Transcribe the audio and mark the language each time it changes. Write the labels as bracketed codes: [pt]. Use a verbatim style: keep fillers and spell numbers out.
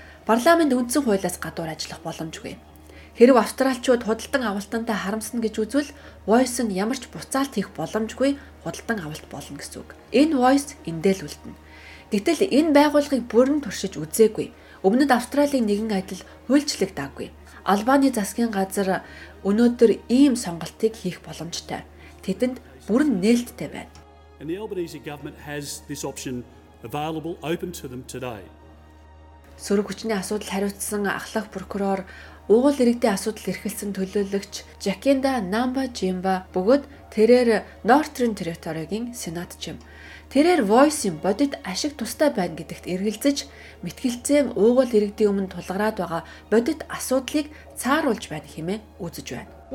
[mn] Парламент үндсэн хуулиас гадуур ажиллах боломжгүй. Хэрв австралчууд худалдан авалтандаа харамсна гэж үзвэл Voice нь ямар ч буцаалт хийх боломжгүй худалдан авалт болно гэсэн үг. Энэ Voice эндэл үлдэнэ. Гэтэл энэ байгууллагыг бүрэн туршиж үзээгүй. Өмнөд Австралийн нэгэн адил хуульчлаг даггүй. Албаны засгийн газар өнөөдөр ийм сонголтыг хийх боломжтой. Тэдэнд бүрэн нээлттэй байна. [en] And the Albanese government has this option available open to them today. [mn] Сөрөг хүчний асуудал хариуцсан ахлах прокурор уугуул иргэдийн асуудал эрхэлсэн төлөөлөгч Жакинда Намба Жимба бөгөөд тэрээр Northern Territory-гийн сенатч юм. Тэрээр Voice-ийн бодит ашиг тустай байна гэдэгт эргэлзэж, мэтгэлцээ уугуул иргэдийн өмнө тулгараад байгаа бодит асуудлыг цааруулж байна хэмээн үзэж байна.